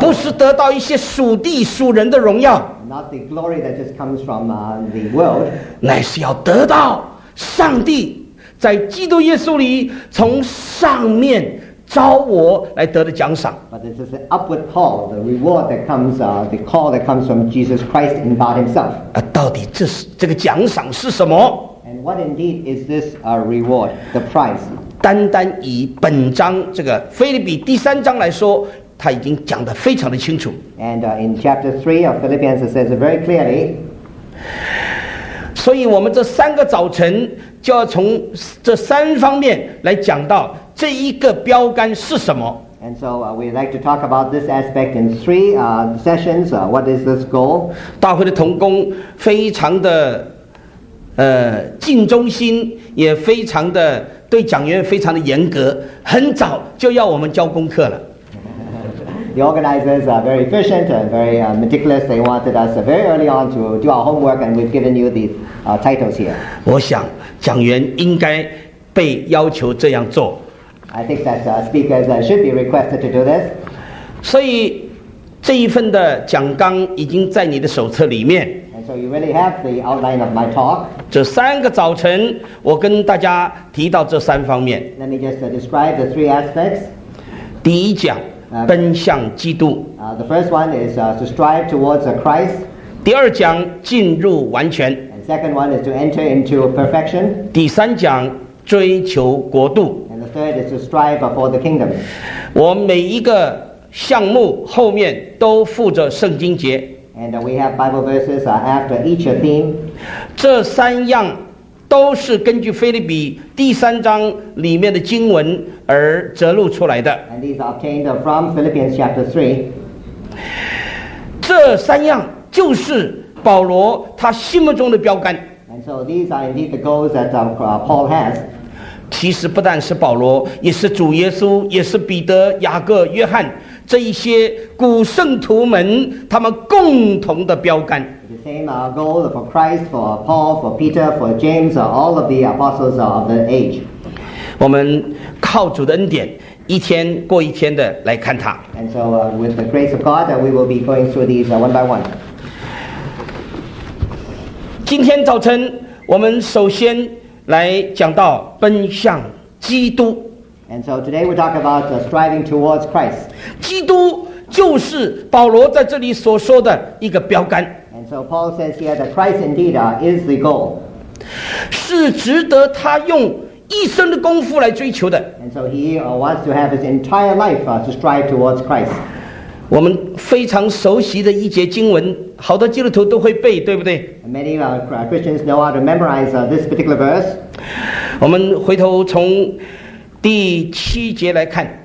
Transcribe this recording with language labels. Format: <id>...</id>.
<zh>不是得到一些属地属人的荣耀。</zh> <en>Not the glory that just comes from the world.</en> <zh>乃是要得到上帝在基督耶稣里从上面召我来得的奖赏。</zh> <en>But this is the upward call, the reward that comes, the call that comes from Jesus Christ in God Himself.</en> <zh>到底这个奖赏是什么</zh> <en>？And what indeed is this a reward, the prize?</en> <zh>单单以本章这个腓立比第三章来说，他已经讲得非常的清楚。</zh> <en>And in chapter 3 of Philippians, it says it very clearly.</en> <zh>所以我们这三个早晨就要从这三方面来讲到这一个标杆是什么。</zh> <en>And so we'd like to talk about this aspect in three sessions. What is this goal?</en> <zh>大会的同工非常的尽忠心，也非常的对讲员非常的严格，很早就要我们交功课了。</zh> <en>The organizers are very efficient and very meticulous. They wanted us very early on to do our homework, and we've given you the titles here.</en> <zh>我想讲员应该被要求这样做。</zh> <en>I think that speakers should be requested to do this.</en> <zh>所以这一份的讲纲已经在你的手册里面。</zh> <en>And so you really have the outline of my talk.</en> <zh>这三个早晨，我跟大家提到这三方面。</zh> <en>Let me just describe the three aspects.</en> <zh>第一讲，奔向基督。</zh> <en>The first one is to strive towards Christ.</en> <zh>第二讲，进入完全。</zh> <en>And second one is to enter into perfection.</en> <zh>第三讲，追求国度。</zh> <en>Third is to strive for the kingdom.</en> <zh>我每一个项目后面都附着圣经节。</zh> <en>And we have Bible verses after each theme.</en> <zh>这三样都是根据腓立比第三章里面的经文而摘录出来的。</zh> <en>And these are obtained from Philippians chapter 3.</en> <zh>这三样就是保罗他心目中的标杆。</zh> <en>And so these are indeed the goals that Paul has.</en> <zh>其实不但是保罗，也是主耶稣，也是彼得、雅各、约翰这一些古圣徒们他们共同的标杆。</zh> <en>The same goal for Christ, for Paul, for Peter, for James, all of the apostles of the age.</en> <zh>我们靠主的恩典，一天过一天的来看他。</zh> <en>And so, with the grace of God, we will be going through these one by one.</en> <zh>今天早晨，我们首先。来讲到奔向基督。</zh> <en>And so today we talk about striving towards Christ.</en> <zh>基督就是保罗在这里所说的一个标杆。</zh> <en>And so Paul says here that Christ indeed is the goal.</en> <zh>是值得他用一生的功夫来追求的。</zh> <en>And so he wants to have his entire life to strive towards Christ.</en> <zh>我们非常熟悉的一节经文，好多基督徒都会背，对不对？</zh> <en>Many Christians know how to memorize this particular verse.</en> <zh>我们回头从第七节来看。</zh>